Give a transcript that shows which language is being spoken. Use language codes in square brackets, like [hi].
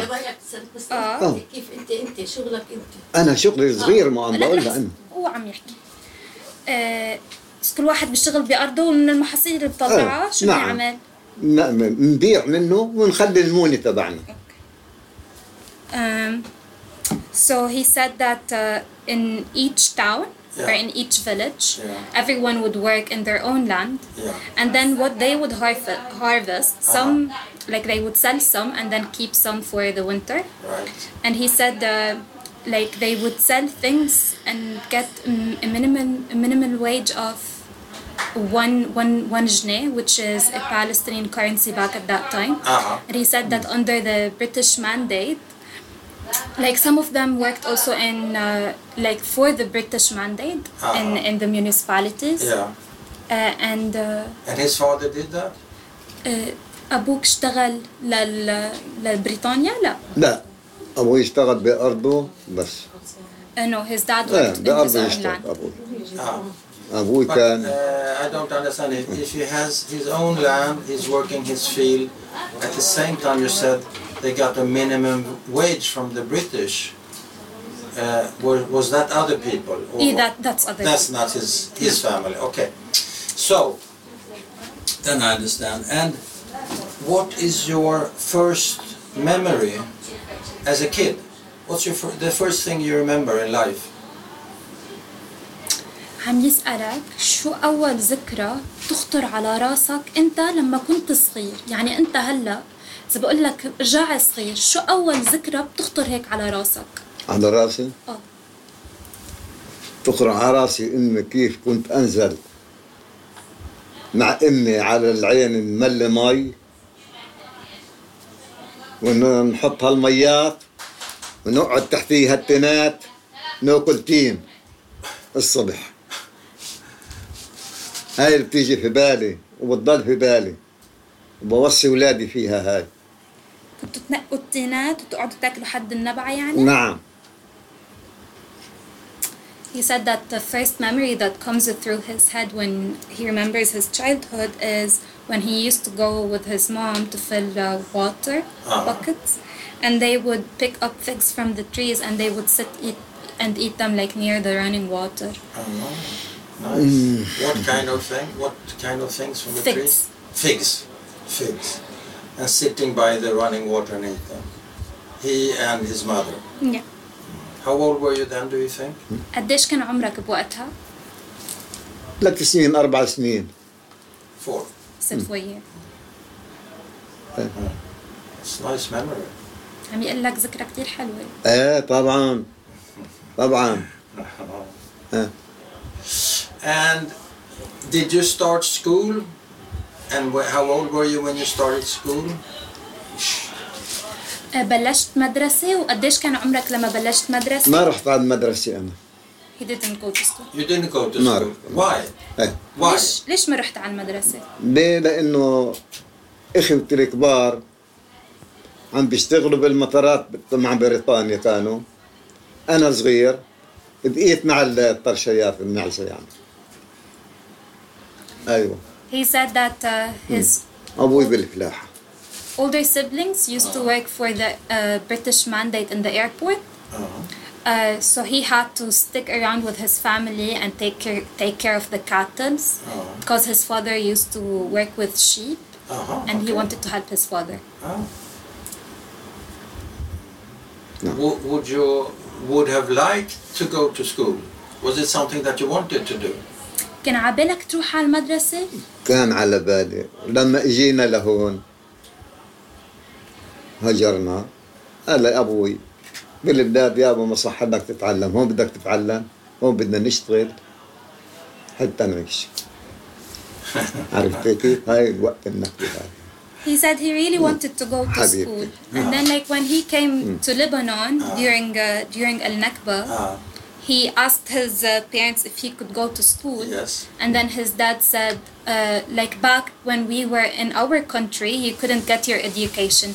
[ar] يا بايك سألت بس كيف انت شغلك انت؟ أنا شغلي صغير ما عم بقول لك. هو عم يحكي. بس كل واحد بيشتغل بأرضه ومن المحاصيل اللي بطلعها شو نعم. بيعمل؟ نبيع منه ونخلي الموني تبعنا. [en] So he said that in each town or in each village, everyone would work in their own land, and then what they would harvest, some like they would sell some and then keep some for the winter. And he said like they would sell things and get a minimal wage of one jneh, which is a Palestinian currency back at that time. Uh-huh. And he said that under the British mandate, like some of them worked also in like for the British mandate in the municipalities. Yeah. And his father did that. [ar] أبوك اشتغل للبريطانيا لا. لا، أبوه اشتغل بأرضه بس. [en] No, his dad worked in the own land. [ar] أبوي [en] but, [ar] كان. [en] I don't understand it. If he has his own land, he's working his field. At the same time, you said they got a minimum wage from the British. Was that other people? Or yeah, that's other. That's people. Not his family. Okay. So then I understand. And what is your first memory as a kid? What's your the first thing you remember in life? [ar] عم يسألك شو أول ذكرى تخطر على راسك أنت لما كنت صغير؟ يعني أنت هلأ إذا بقول لك رجع صغير، شو أول ذكرى بتخطر هيك على راسك؟ على راسي؟ تخطر على راسي إني كيف كنت أنزل مع أمي على العين نملي مي ونحط هالميات ونقعد تحتيها التنات ناكل تين الصبح. هاي اللي بتيجي في بالي وبتضل في بالي وبوصي ولادي فيها. هاي كنت تنقوا التينات وتقعدوا تاكلوا حد النبعة يعني؟ نعم. [en] He said that the first memory that comes through his head when he remembers his childhood is when he used to go with his mom to fill water buckets and they would pick up figs from the trees and they would sit eat them like near the running water. Uh-huh. Nice. What kind of things from the figs. Trees? Figs. And sitting by the running water and eat them. He and his mother. Yeah. How old were you then, do you think? [ar] قديش كان عمرك بوقتها؟ 3 سنين، 4 سنين. 4. [en] 6 years. It's a nice memory. [ar] عم يقول لك ذكرى كتير حلوة. طبعاً. [en] And did you start school? And how old were you when you started school? [ar] بلشت مدرسة وقديش كان عمرك لما بلشت مدرسة؟ ما رحت على المدرسة أنا. [en] He didn't go to school. You didn't go to school. [ar] مارك. [en] Why? Why? [ar] ليش ما رحت على المدرسة؟ ليه؟ لأنه أخوتي الكبار عم بيشتغلوا بالمطارات مع بريطانيا كانوا. أنا صغير. بقيت مع الطرشيات النعسة يعني. ايوه. [en] He said that his [ar] ابوي بالفلاحة. [en] Older siblings used to work for the British mandate in the airport. So he had to stick around with his family and take care of the cattle because his father used to work with sheep and he wanted to help his father. Oh. No. Would you have liked to go to school? Was it something that you wanted to do? [ar] كان عبالك تروح على المدرسة؟ كان على بالي لما اجينا لهون هجرنا قال لي ابوي بالبلاد يا ابو ما صح انك تتعلم هون بدك تتعلم هون بدنا نشتغل حتى نعيش عرفتي كيف هاي الوقت النقطة هاي [en] He said he really wanted to go to school. And then like when he came to Lebanon during Al-Nakba, he asked his parents if he could go to school. Yes. And then his dad said, like back when we were in our country, you couldn't get your education.